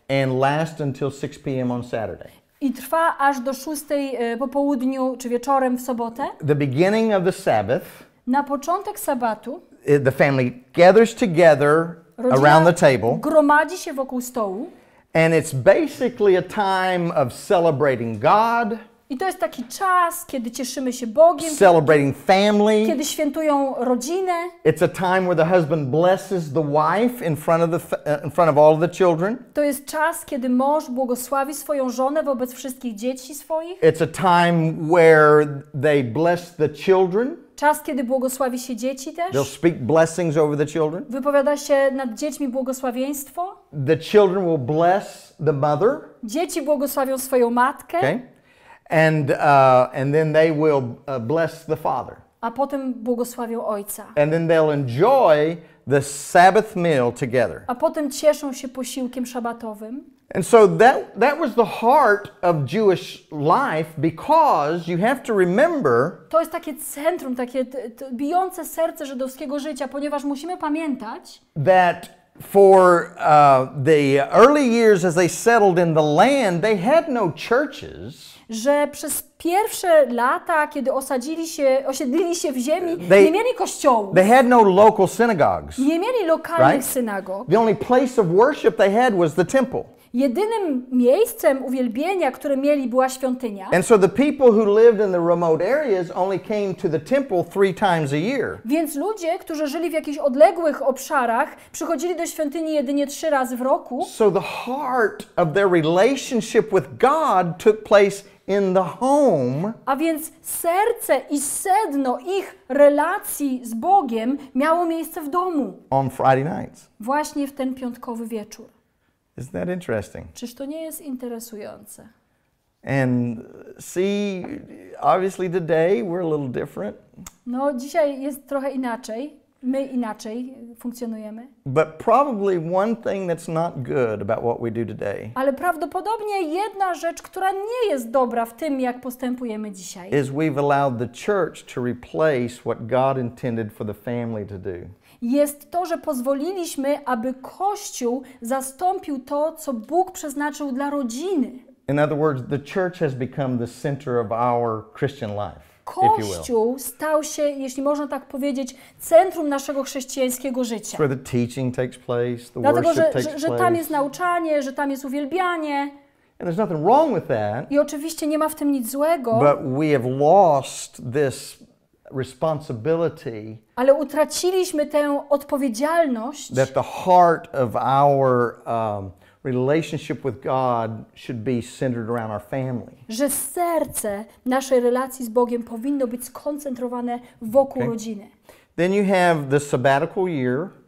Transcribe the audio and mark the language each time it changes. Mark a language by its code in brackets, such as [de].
[en] And lasts until 6 p.m. on Saturday. [pl] I trwa aż do 6 po południu czy wieczorem w sobotę. [en] The beginning of the Sabbath. [pl] Na początek sabatu. [en] The family gathers together around the table. [pl] Gromadzi się wokół stołu. [en] And it's basically a time of celebrating God. [pl] I to jest taki czas, kiedy cieszymy się Bogiem. [en] Celebrating family. [pl] Kiedy świętują rodzinę. [en] It's a time where the husband blesses the wife in front of all the children. [pl] To jest czas, kiedy mąż błogosławi swoją żonę wobec wszystkich dzieci swoich. [en] It's a time where they bless the children. [pl] Czas, kiedy błogosławi się dzieci też. [en] They'll speak blessings over the children. [pl] Wypowiada się nad dziećmi błogosławieństwo. [en] The children will bless the mother. [pl] Dzieci błogosławią swoją matkę. [en] Okay. And then they will bless the father. [pl] A potem błogosławią ojca. [en] And then they'll enjoy the Sabbath meal together. [pl] A potem cieszą się posiłkiem szabatowym. [en] And so that was the heart of Jewish life, because you have to remember. [pl] To jest takie centrum, takie bijące serce żydowskiego życia, ponieważ musimy pamiętać. [en] That for the early years, as they settled in the land, they had no churches. [pl] Że przez pierwsze lata, kiedy osiedlili się w ziemi, nie mieli kościołów. [en] They had no local synagogues. [pl] Nie mieli lokalnych synagog. [en] The only place of worship they had was the temple. [pl] Jedynym miejscem uwielbienia, które mieli, była świątynia. [en] And so the people who lived in the remote areas only came to the temple 3 times a year. [pl] Więc ludzie, którzy żyli w jakichś odległych obszarach, przychodzili do świątyni jedynie 3 razy w roku. [en] So the heart of their relationship with God took place in the home. [pl] A więc serce i sedno ich relacji z Bogiem miało miejsce w domu. [en] On Friday nights. [pl] Właśnie w ten piątkowy wieczór. [en] Isn't that interesting? [pl] Czyż to nie jest interesujące? [en] And see, obviously today we're a little different. [pl] No, dzisiaj jest trochę inaczej. My inaczej funkcjonujemy. [en] But probably one thing that's not good about what we do today. [pl] Ale prawdopodobnie jedna rzecz, która nie jest dobra w tym, jak postępujemy dzisiaj. [en] Is we've allowed the church to replace what God intended for the family to do. [pl] Jest to, że pozwoliliśmy, aby Kościół zastąpił to, co Bóg przeznaczył dla rodziny. [en] In other words, the church has become the center of our Christian life. [pl] Kościół stał się, jeśli można tak powiedzieć, centrum naszego chrześcijańskiego życia. [en] Where the teaching takes place, the worship takes place. [pl] Dlatego, że tam jest nauczanie, że tam jest uwielbianie. [en] And there's nothing wrong with that. [pl] I oczywiście nie ma w tym nic złego. [en] But we have lost this responsibility. [pl] Ale utraciliśmy tę odpowiedzialność. [en] That the heart of our relationship with God should be centered around our family. [pl] Że serce naszej relacji z Bogiem powinno być skoncentrowane wokół rodziny. [en] Then you have the sabbatical year.